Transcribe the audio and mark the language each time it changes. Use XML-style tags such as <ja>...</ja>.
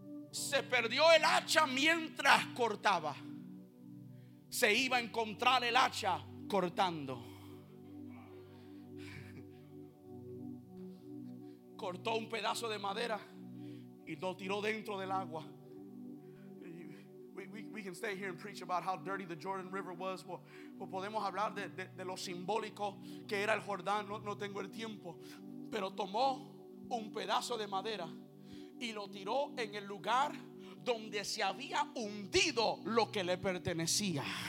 <es>Se perdió el hacha mientras cortaba. Se iba a encontrar el hacha cortando. Cortó un pedazo de madera y lo tiró dentro del agua.</es> <en>We can stay here and preach about how dirty the Jordan River was.</en> <es>Well, podemos hablar de lo simbólico que era el Jordán. No tengo el tiempo. Pero tomó un pedazo de madera y lo tiró en el lugar donde se había hundido lo que le pertenecía.</es>